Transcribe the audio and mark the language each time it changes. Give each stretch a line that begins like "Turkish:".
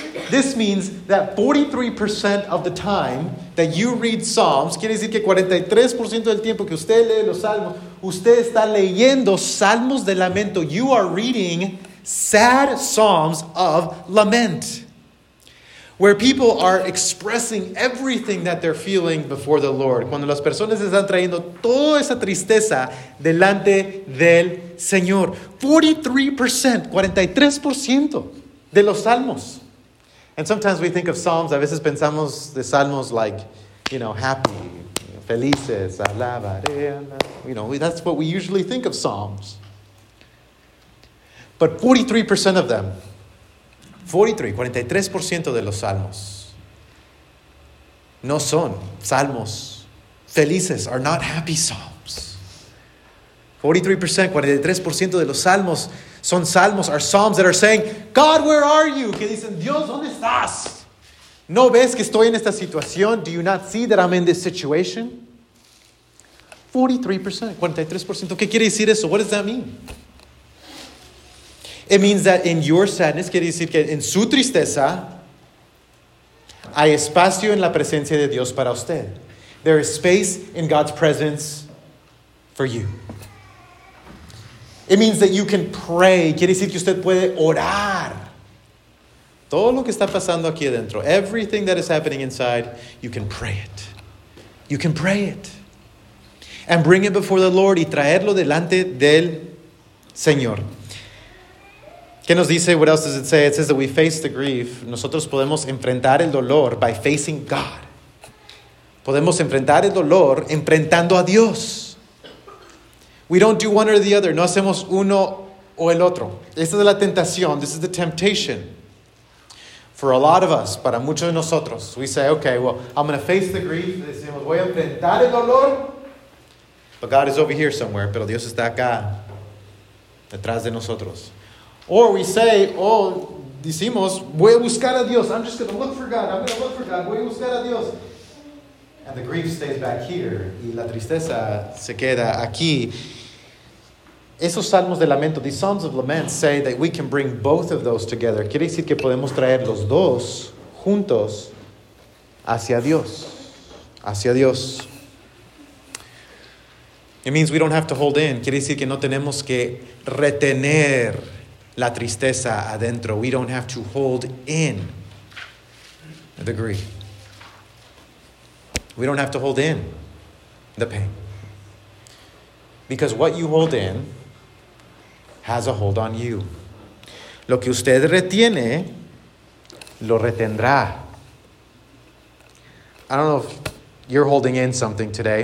English: This means that 43% of the time that you read Psalms,
Spanish: quiere decir que 43% del tiempo que usted lee los Salmos, usted está leyendo Salmos de Lamento.
English: You are reading sad Psalms of Lament, where people are expressing everything that they're feeling before the Lord.
Spanish: Cuando las personas están trayendo toda esa tristeza delante del Señor. 43% de los Salmos.
English: And sometimes we think of Psalms,
Spanish: a veces pensamos de Salmos
English: like, you know, happy,
Spanish: felices, alabaré,
English: you know, that's what we usually think of Psalms. But 43% of them,
Spanish: 43% de los Salmos, no son Salmos felices,
English: are not happy Psalms.
Spanish: 43% de los Salmos son salmos,
English: are psalms that are saying, God, where are you?
Spanish: Que dicen, Dios, ¿dónde estás? ¿No ves que estoy en esta situación?
English: Do you not see that I'm in this situation?
Spanish: 43%. ¿Qué quiere decir eso?
English: What does that mean? It means that in your sadness,
Spanish: quiere decir que en su tristeza, hay espacio en la presencia de Dios para usted.
English: There is space in God's presence for you. It means that you can pray.
Spanish: Quiere decir que usted puede orar. Todo lo que está pasando aquí adentro,
English: everything that is happening inside, you can pray it. You can pray it. And bring it before the Lord
Spanish: y traerlo delante del Señor. ¿Qué nos dice?
English: What else does it say? It says that we face the grief.
Spanish: Nosotros podemos enfrentar el dolor
English: by facing God.
Spanish: Podemos enfrentar el dolor enfrentando a Dios.
English: We don't do one or the other.
Spanish: No hacemos uno o el otro. Esta es la tentación.
English: This is the temptation for a lot of us,
Spanish: para muchos de nosotros.
English: We say, okay, well, I'm going to face the grief.
Spanish: Decimos, voy a enfrentar el dolor.
English: But God is over here somewhere,
Spanish: pero Dios está acá, detrás de nosotros.
English: Or we say, oh,
Spanish: decimos, voy a buscar a Dios.
English: I'm just going to look for God. I'm going to look for God.
Spanish: Voy a buscar a Dios.
English: And the grief stays back here.
Spanish: Y la tristeza se queda aquí. Esos salmos de lamento,
English: these psalms of lament, say that we can bring both of those together.
Spanish: Quiere decir que podemos traer los dos juntos hacia Dios. Hacia Dios.
English: It means we don't have to hold in.
Spanish: Quiere decir que no tenemos que retener la tristeza adentro.
English: We don't have to hold in the grief. We don't have to hold in the pain. Because what you hold in has a hold on you.
Spanish: Lo que usted retiene, lo retendrá.
English: I don't know if you're holding in something today.